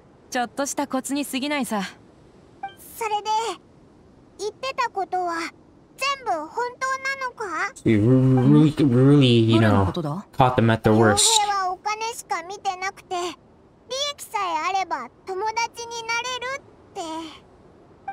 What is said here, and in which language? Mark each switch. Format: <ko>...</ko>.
<ja>ちょっとしたコツに過ぎないさ。それで言ってたことは全部本当なのか？</ja> <en>Really, you know, caught them at their worst.</en> <ja>傭兵はお金しか見てなくて、利益さえあれば友達になれるって。</ja>